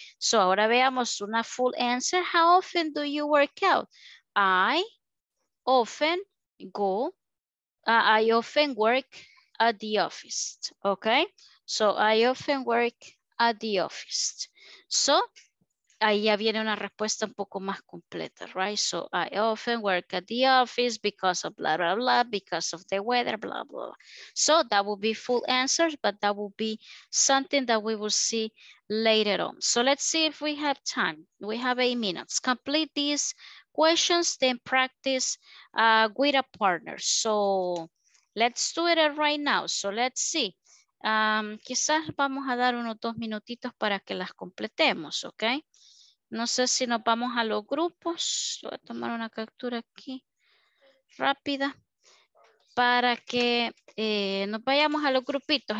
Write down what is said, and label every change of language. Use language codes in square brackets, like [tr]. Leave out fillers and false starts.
[en] So, [es] ahora veamos una [en] full answer. How often do you work out? I often go... I often work at the office, okay? So, I often work at the office. [es] So, ahí ya viene una respuesta un poco más completa, [en] right? So, I often work at the office because of blah, blah, blah, because of the weather, blah, blah, blah. So, that will be full answers, but that will be something that we will see later on. So, let's see if we have time. We have 8 minutes. Complete this questions, then practice with a partner. So let's do it right now. So let's see. [es] Quizás vamos a dar unos 2 minutitos para que las completemos, [en] ¿ok? [es] No sé si nos vamos a los grupos. Voy a tomar una captura aquí rápida para que nos vayamos a los grupitos.